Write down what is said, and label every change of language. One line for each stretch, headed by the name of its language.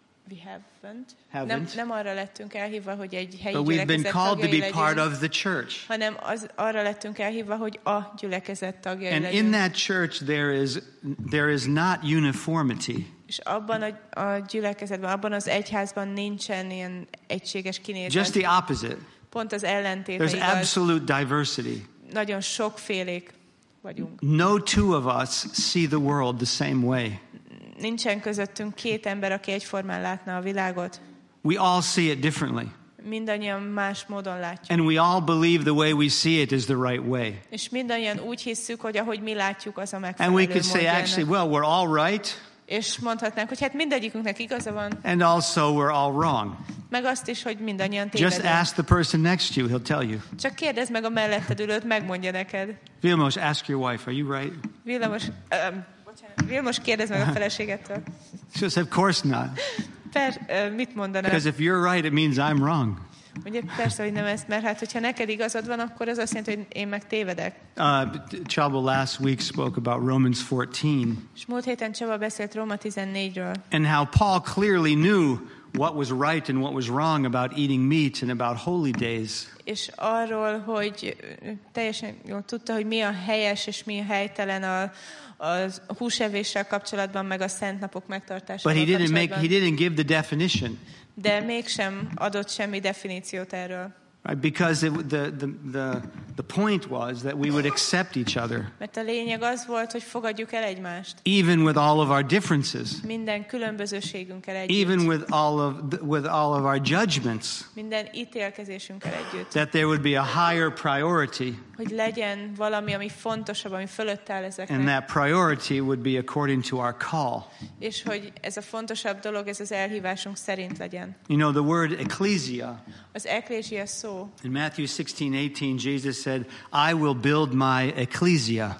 English: We haven't. Haven't.
Hungarian: Nem arra lettünk elhívva, hogy egy helyi gyülekezet.
English: We've been called to be
Hungarian: legyünk,
English: part of the church.
Hungarian: Hanem arra lettünk elhívva, hogy a gyülekezet tagjai
English: and
Hungarian: legyünk.
English: In that church there is not uniformity.
Hungarian: És abban a gyülekezetben, abban az egyházban nincsen ilyen egységes kinézet.
English: Just the opposite.
Hungarian: Pont az ellentét.
English: There's absolute diversity.
Hungarian: Nagyon sokfélék vagyunk.
English: No two of us see the world the same way.
Hungarian: Nincsen közöttünk két ember, aki egyformán látna a világot.
English: We all see it differently.
Hungarian: Mindannyian más módon látjuk.
English: And we all believe the way we see it is the right way.
Hungarian: És mindannyian úgy hisszük, hogy ahogy mi látjuk, az a megfelelő.
English: And we could say actually, well, we're all right.
Hungarian: És mondhatnánk, hogy hát mindegyikünknek igaza van.
English: And also we're all wrong.
Hungarian: Meg azt is, hogy mindannyian tévedünk.
English: Just ask the person next to you, he'll tell you.
Hungarian: Csak kérdezd meg a melletted ülőt, megmondja neked.
English: Vilmos, ask your wife, are you right?
Hungarian: Vilmos, kérdezd meg a feleségettől.
English: She said, of course not.
Hungarian: Mit mondanak?
English: Because if you're right, it means I'm wrong.
Hungarian: Ugye persze, hogy nem ezt, mert hát, hogyha neked igazad van, akkor az azt jelenti, hogy én meg tévedek.
English: Csaba last week spoke about Romans 14.
Hungarian: És múlt héten Csaba beszélt Róma 14-ről.
English: And how Paul clearly knew what was right and what was wrong about eating meat and about holy days.
Hungarian: És arról, hogy teljesen jól tudta, hogy mi a helyes és mi a helytelen a húsevéssel kapcsolatban, meg a szent napok megtartásával.
English: But he didn't give the definition.
Hungarian: De mégsem adott semmi definíciót erről.
English: Right, because the point was that we would accept each other.
Hungarian: Mert a lényeg az volt, hogy fogadjuk el egymást.
English: Even with all of our differences.
Hungarian: Minden különbözőségünkkel együtt.
English: Even with all of our judgments.
Hungarian: Minden ítélkezésünkkel együtt.
English: That there would be a higher priority.
Hungarian: Hogy legyen valami, ami fontosabb, ami fölött áll ezeknek.
English: And that priority would be according to our call.
Hungarian: És hogy ez a fontosabb dolog, ez az elhívásunk szerint legyen.
English: You know, the word ecclesia.
Hungarian: Az ecclesia szó.
English: In Matthew 16:18, Jesus said, I will build my ecclesia.